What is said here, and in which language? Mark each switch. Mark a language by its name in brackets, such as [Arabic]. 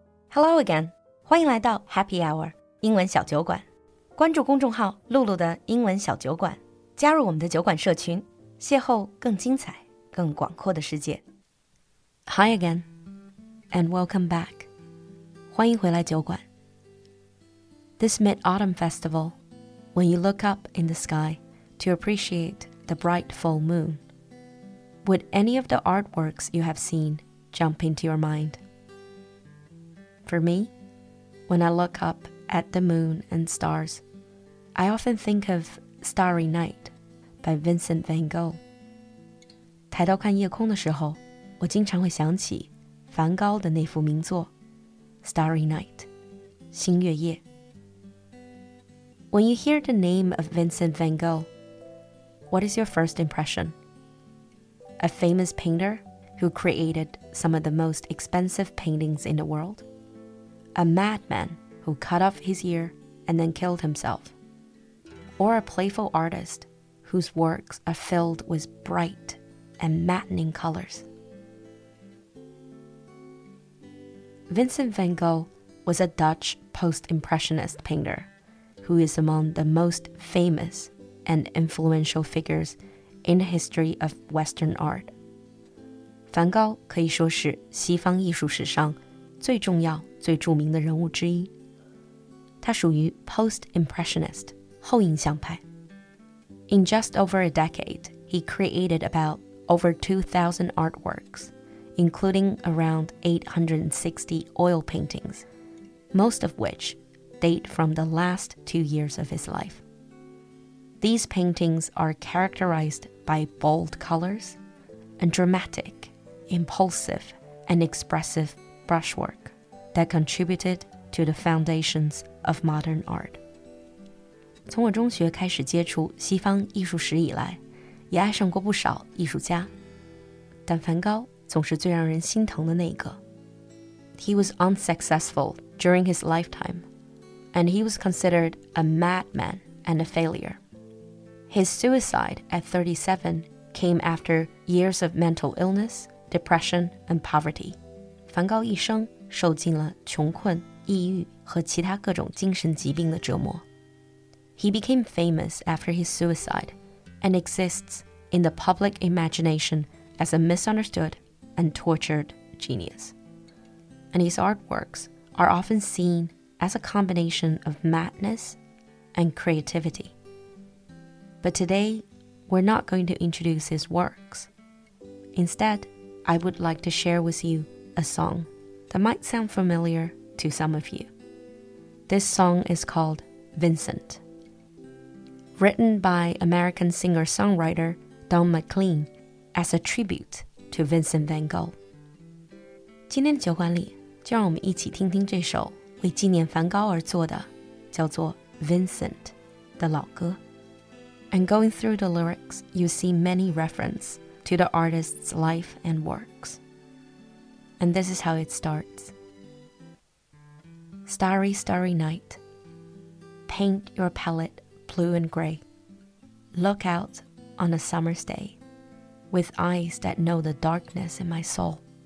[English] Hello again, [Chinese] 欢迎来到 Happy Hour 英文小酒馆。关注公众号露露的英文小酒馆，加入我们的酒馆社群，邂逅更精彩、更广阔的世界。 [English] Hi again, and welcome back. [Chinese] 欢迎回来酒馆。 [English] This mid-autumn festival, when you look up in the sky to appreciate the bright full moon, would any of the artworks you have seen jump into your mind? For me, when I look up at the moon and stars, I often think of Starry Night by Vincent van Gogh. [Chinese] 抬头看夜空的时候，我经常会想起梵高的那幅名作 Starry Night, 星月夜。 [English] When you hear the name of Vincent van Gogh, what is your first impression? A famous painter who created some of the most expensive paintings in the world? A madman who cut off his ear and then killed himself. Or a playful artist whose works are filled with bright and maddening colors. Vincent van Gogh was a Dutch post-impressionist painter who is among the most famous and influential figures in the history of Western art. [Chinese] 梵高可以说是西方艺术史上最重要最著名的人物之一，他属于 post-impressionist 后印象派。 [English] In just over a decade, he created about over 2,000 artworks, including around 860 oil paintings, most of which date from the last 2 years of his life. These paintings are characterized by bold colors and dramatic, impulsive, and expressive brushwork. That contributed to the foundations of modern art. [Chinese] 从我中学开始接触西方艺术史以来，也爱上过不少艺术家，但梵高总是最让人心疼的那个。 [English] He was unsuccessful during his lifetime, and he was considered a madman and a failure. His suicide at 37 came after years of mental illness, depression, and poverty. [Chinese] 梵高一生受尽了穷困、抑郁和其他各种精神疾病的折磨。 [English] He became famous after his suicide and exists in the public imagination as a misunderstood and tortured genius. And his artworks are often seen as a combination of madness and creativity. But today, we're not going to introduce his works. Instead, I would like to share with you a song. That might sound familiar to some of you. This song is called Vincent. Written by American singer-songwriter Don McLean as a tribute to Vincent van Gogh. [Chinese] 今天的酒馆里就让我们一起听听这首为纪念梵高而作的叫做 Vincent 的老歌。 [English] And going through the lyrics, you see many references to the artist's life and works. And this is how it starts. Starry, starry night. Paint your palette blue and gray. Look out on a summer's day with eyes that know the darkness in my soul.